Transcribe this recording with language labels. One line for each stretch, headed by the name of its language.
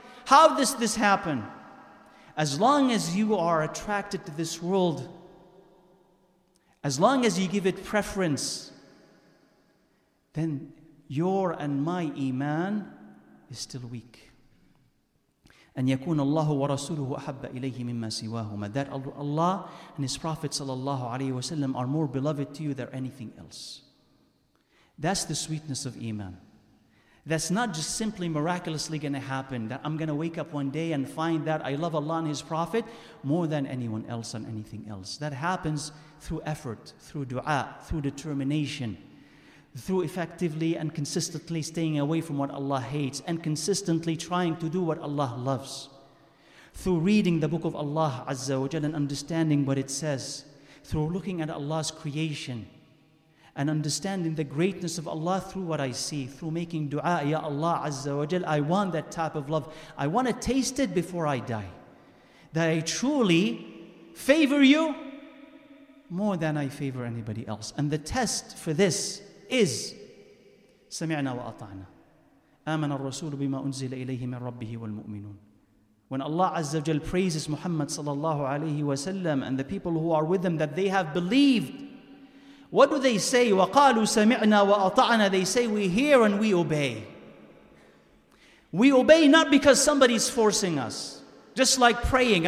English: How does this happen? As long as you are attracted to this world, as long as you give it preference, then your and my iman is still weak.
Arabic: أن يكون الله ورسوله أحب إليه مما سواهما.
English: That Allah and His Prophet sallallahu alaihi wasallam are more beloved to you than anything else. That's the sweetness of iman. That's not just simply miraculously going to happen, that I'm going to wake up one day and find that I love Allah and His Prophet more than anyone else and anything else. That happens through effort, through dua, through determination, through effectively and consistently staying away from what Allah hates and consistently trying to do what Allah loves. Through reading the book of Allah Azza wa Jalla and understanding what it says. Through looking at Allah's creation and understanding the greatness of Allah through what I see. Through making dua, Ya Allah Azza wa Jalla, I want that type of love. I want to taste it before I die. That I truly favor you more than I favor anybody else. And the test for this is
Arabic: سمعنا وأطعنا آمن الرسول بما أنزل إليه من ربه والمؤمنون.
English: When Allah Azza wa Jal praises Muhammad sallallahu alayhi wa sallam and the people who are with them that they have believed, what do they say?
Arabic: وقالوا سمعنا وأطعنا.
English: They say, we hear and we obey. We obey not because somebody is forcing us. Just like praying.